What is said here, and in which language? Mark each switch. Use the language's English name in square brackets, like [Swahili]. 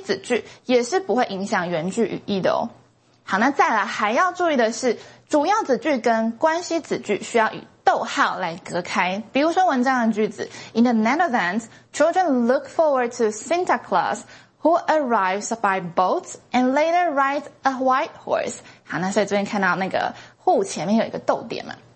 [Chinese] 就会是就是一个专有的名词嘛，所以不需要把它限定起来。那它的作用呢，就只是在于补充说明这个前面的先行词。所以即使拿掉那个关系子句，也是不会影响原句语义的哦。好，那再来还要注意的是，主要子句跟关系子句需要与逗号来隔开。比如说文章的句子 [English] ,In the Netherlands, children look forward to Santa Claus, who arrives by boat and later rides a white horse. [Chinese] 好，那所以这边看到那个 who 前面有一个逗点嘛。